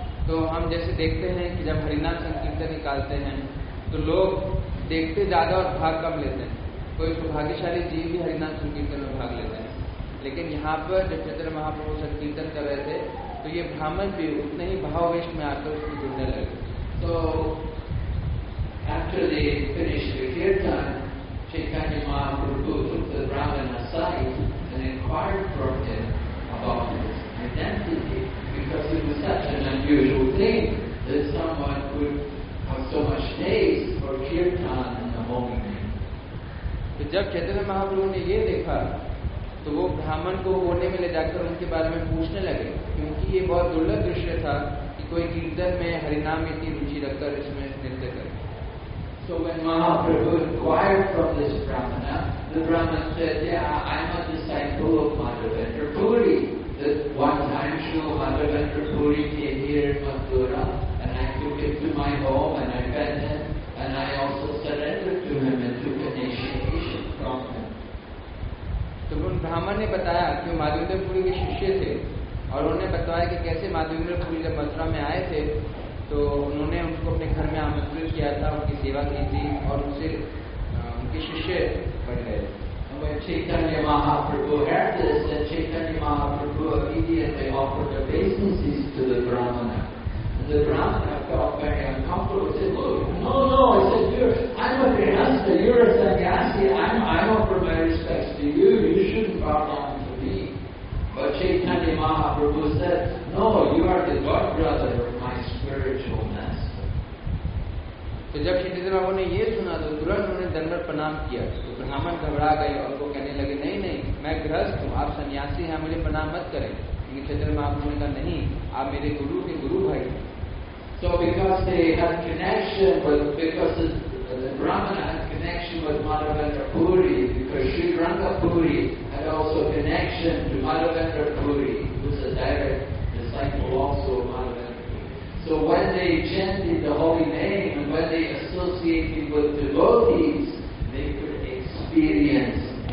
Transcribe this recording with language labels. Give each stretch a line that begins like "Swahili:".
Hindi: तो हम जैसे देखते हैं कि जब हरिनाम संकीर्तन निकालते हैं तो लोग देखते ज्यादा और भाग कम लेते हैं, कोई सौभाग्यशाली जीव भी हरिनाम संकीर्तन में भाग लेते हैं, लेकिन यहाँ पर जब चैतन्य महाप्रभु संकीर्तन कर रहे थे तो ये ब्राह्मण भी उतने ही भाव वेश में आकर उसमें जुड़ने लगे.
English: तो after the finish kirtan Chaitanya Mahaprabhu took the brahmana aside and inquired from him about his identity. Because it was such an unusual thing that someone would have so much taste for kirtan in the morning.
Hindi: तो जब चैतन्य महाप्रभु ने ये देखा तो वो ब्राह्मण को कोने में ले जाकर उनके बारे में पूछने लगे, क्योंकि ये बहुत दुर्लभ दृश्य था कि कोई कीर्तन में हरिनाम में इतनी रुचि रखकर इसमें नृत्य करे।
English: So when Mahaprabhu inquired from this Brahmana, the Brahmana said, yeah, I'm a disciple of Madhavendra Puri. One time Shri Madhavendra Puri came here in Mathura and I took him to my home and I fed him and I also surrendered to him and took initiation from him.
Hindi: तो उन ब्राह्मण ने बताया कि माधवेंद्र पुरी के शिष्य थे और उन्होंने बताया कि कैसे माधवेंद्र पुरी जब मथुरा में आए थे तो उन्होंने उनको अपने घर में आमंत्रित किया था, उनकी सेवा की थी और उनसे उनके शिष्य बन गए।
English: Chaitanya Mahaprabhu heard this and Chaitanya Mahaprabhu immediately offered obeisances to the brahmana. The brahmana felt very uncomfortable. He said, "Look, no. I said, I'm a grihastha. You're a sannyasi. I offer my respects to you. You shouldn't bow down to me." But Chaitanya Mahaprabhu said, "No, you are the god brother of my spiritual master."
Hindi: So, जब चैतन्य महाप्रभु ने ये सुना तो तुरंत उन्होंने दंडवत प्रणाम किया। तो ब्राह्मण घबरा गए और वो कहने लगे, नहीं, मैं गृहस्थ हूँ, आप सन्यासी हैं, मुझे प्रणाम मत करें। चैतन्य महाप्रभु ने कहा, नहीं, आप मेरे गुरु के गुरु भाई।
English: So because they had connection with, because the Brahmana had connection with Madhavendra Puri, because Sri Ranga Puri had also connection to Madhavendra Puri, who's a direct disciple also of Madhavendra Puri. So when they chanted the holy name and when they associated with devotees, they could experience.